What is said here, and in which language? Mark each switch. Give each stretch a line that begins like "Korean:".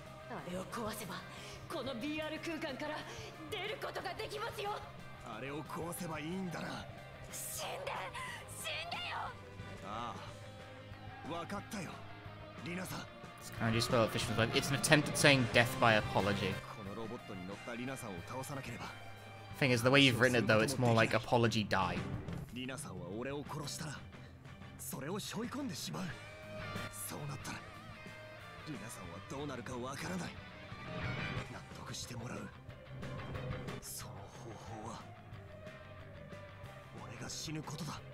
Japanese: あれを壊せば、この BR 空間から出ることができますよ。あれを壊せばいいんだな。死んで、死んでよ。ああ、わかったよ、リナさん。
English: Can I just spell official, but it's an attempt at saying death by apology. The thing is, the way you've written it, though, it's more like apology die.
Japanese: Lina さんは俺を殺したら、それを背負い込んでしまう。そうなったら、リナさんはどうなるかわからない。納得してもらう。その方法は、俺が死ぬことだ。